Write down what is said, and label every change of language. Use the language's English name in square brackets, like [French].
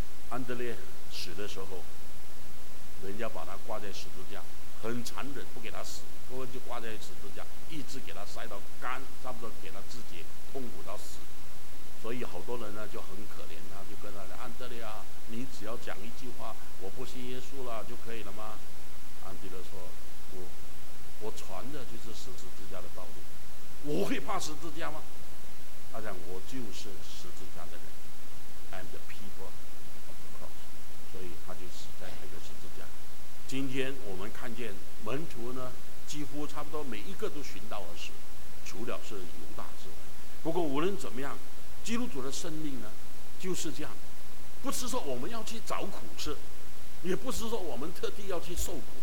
[Chinese] 安德烈死的时候，人家把他挂在十字架，很残忍，不给他死，不过就挂在十字架，一直给他塞到肝，差不多给他自己痛苦到死。所以好多人呢就很可怜他，就跟他说：“安德烈啊，你只要讲一句话，我不信耶稣了就可以了吗？” 安德烈说：“我传的就是十字架的道路，我会怕十字架吗？” 他讲：“我就是十字架的人 ， [English] I'm the people of the cross。” [Chinese] 所以他就死在那个十字架。今天我们看见门徒呢，几乎差不多每一个都寻道而死，除了是犹大之外。不过无论怎么样，基督徒的生命呢，就是这样，不是说我们要去找苦吃，也不是说我们特地要去受苦。